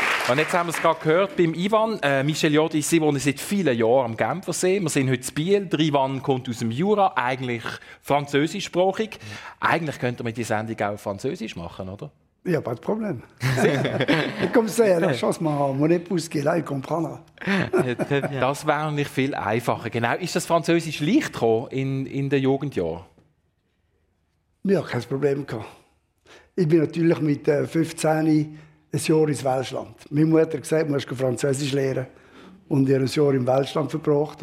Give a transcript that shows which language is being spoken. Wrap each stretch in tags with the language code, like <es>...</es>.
<de>Und jetzt haben wir es gerade gehört beim Ivan. Michel Jordi, Sie wohnen seit vielen Jahren am Genfersee. Wir sind heute in Biel. Der Ivan kommt aus dem Jura, eigentlich französischsprachig. Eigentlich könnte man die Sendung auch französisch machen, oder?</de> <fr>Ja, pas de problème. Et comme ça, la chance, mon épouse qui est là, elle comprendra.</fr> <de>Das wäre nämlich viel einfacher. Genau. Ist das Französisch leicht gekommen in den Jugendjahren? Ja, kein Problem. Ich bin natürlich mit 15 ein Jahr ins Welschland. Meine Mutter hat gesagt, du musst Französisch lernen. Und ich habe ein Jahr im Welschland verbracht.</de>